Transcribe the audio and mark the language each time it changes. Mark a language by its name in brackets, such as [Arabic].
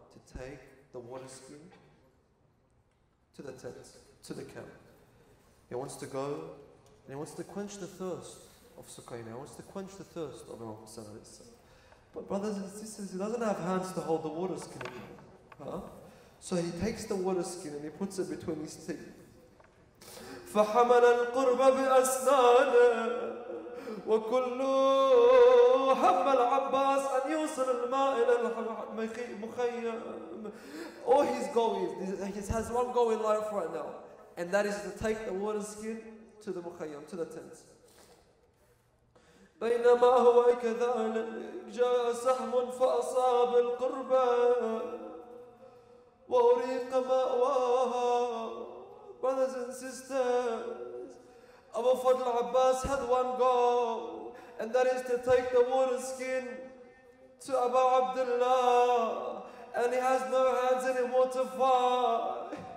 [English] To take the water skin to the tent, to the camp. He wants to go, and he wants to quench the thirst of Sukayna. He wants to quench the thirst of Imam Hussein alayhi salam. But brothers and sisters, he doesn't have hands to hold the water skin anymore, huh? So he takes the water skin and he puts it between his teeth. [Arabic] فحمل القرب بأسنانه وكل هم العباس أن يوصل الماء إلى المخيم. [English] All his goals, he has one goal in life right now, and that is to take the water skin to the مخيم, to the tent. [Arabic] بينما هو كذلك جاء سهم فأصاب القربة وأريق ماواها. [English] Brothers and sisters, Abu Fadl al-Abbas had one goal, and that is to take the water skin to Abu Abdullah, and he has no hands anymore to fight.